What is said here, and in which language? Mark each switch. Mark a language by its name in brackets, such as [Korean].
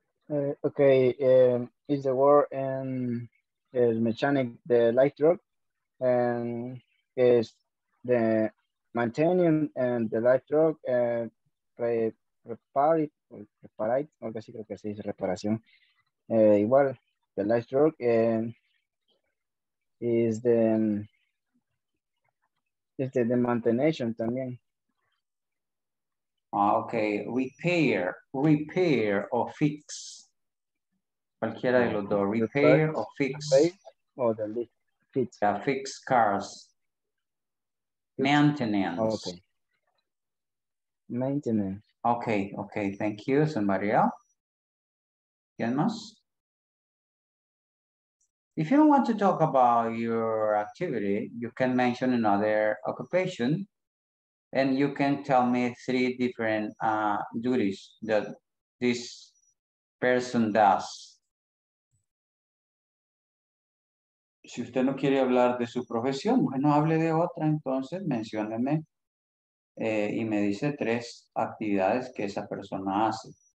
[English] Okay, is the work and mechanic the light truck, and is the maintaining and the light truck and prepare it. [Spanish] Reparar, algo así creo que se dice reparación. Igual, [English] the light truck is the maintenance [Spanish] también. [English] Ah, okay, repair or fix. [Spanish] Cualquiera de los dos, [English] repair or fix. Or the fix. Yeah, fix cars. Maintenance. Okay. Maintenance. Okay, okay, thank you, somebody else. [Spanish] ¿Quién más? [English] If you don't want to talk about your activity, you can mention another occupation and you can tell me three different duties that this person does. [Spanish] Si usted no quiere hablar de su profesión, bueno, hable de otra, entonces mencióneme. Y me dice tres actividades que esa persona hace.